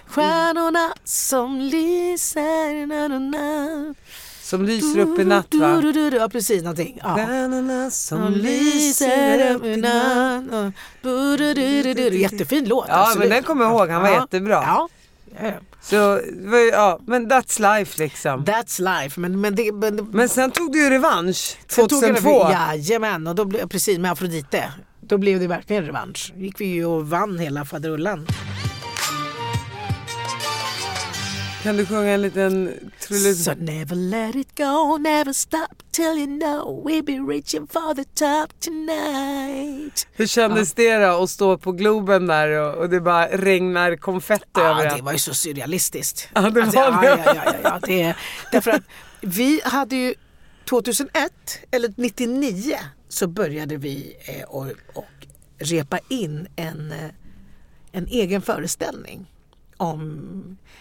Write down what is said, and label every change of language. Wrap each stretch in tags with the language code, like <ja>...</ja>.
<sv>Stjärnorna som lyser na-na-na. Som lyser upp i natt, va? Ja, precis, någonting. Ja. Stjärnorna som lyser upp i natt. Jättefin låt. Ja, absolut. Men den kommer jag ihåg. Han var jättebra. Ja. Så, ja, men</sv> <en>that's life</en> <sv>liksom.</sv> <en>That's life. Men</en> <sv>sen tog du ju revansch 2002. Jajamän, och då blev precis med Afrodite. Då blev det verkligen revansch. Gick vi ju och vann hela faderullan. Kan du sjunga en liten trullis?</sv> <en>So never let it go, never stop till you know we'll be reaching for the top tonight.</en> <sv>Hur kändes det då att stå på Globen där och det bara regnar konfetti över det? Ja, det var ju så surrealistiskt. Ja, det var alltså, det. Därför att vi hade ju 2001 eller 99 så började vi och repa in en egen föreställning om...</sv>